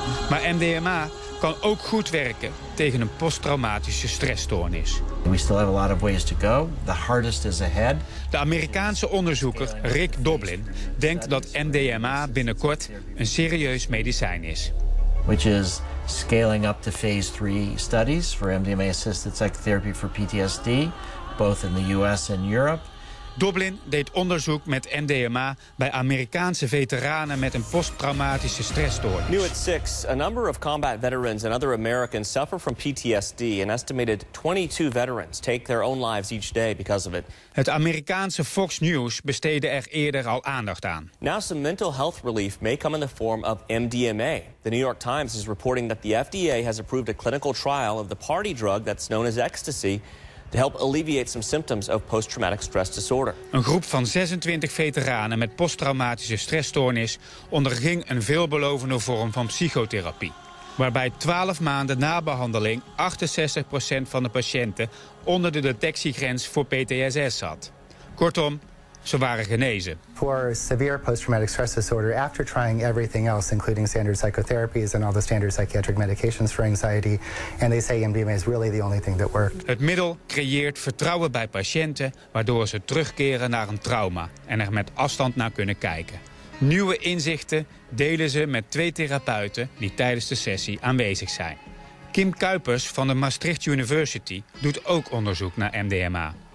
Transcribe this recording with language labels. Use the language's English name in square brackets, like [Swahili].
[Dutch] Maar MDMA kan ook goed werken tegen een posttraumatische stressstoornis. [English] We still have a lot of ways to go. The hardest is ahead. [Dutch] De Amerikaanse onderzoeker Rick Doblin denkt dat MDMA binnenkort een serieus medicijn is. [English] Which is scaling up to phase 3 studies for MDMA-assisted psychotherapy for PTSD, both in the US and Europe. [Dutch] Doblin deed onderzoek met MDMA bij Amerikaanse veteranen met een posttraumatische stressstoornis. [English] New at 6, a number of combat veterans and other Americans suffer from PTSD. An estimated 22 veterans take their own lives each day because of it. [Dutch] Het Amerikaanse Fox News besteedde er eerder al aandacht aan. [English] Now some mental health relief may come in the form of MDMA. The New York Times is reporting that the FDA has approved a clinical trial of the party drug that's known as ecstasy. To help alleviate some symptoms of post-traumatic stress disorder. [Dutch] Een groep van 26 veteranen met posttraumatische stressstoornis onderging een veelbelovende vorm van psychotherapie, waarbij 12 maanden na behandeling 68% van de patiënten onder de detectiegrens voor PTSS zat. Kortom, ze waren genezen. [English] For severe post-traumatic stress disorder, after trying everything else, including standard psychotherapies and all the standard psychiatric medications for anxiety, and they say MDMA is really the only thing that worked. [Dutch] Het middel creëert vertrouwen bij patiënten, waardoor ze terugkeren naar een trauma en er met afstand naar kunnen kijken. Nieuwe inzichten delen ze met twee therapeuten die tijdens de sessie aanwezig zijn. Kim Kuipers van de Maastricht University doet ook onderzoek naar MDMA.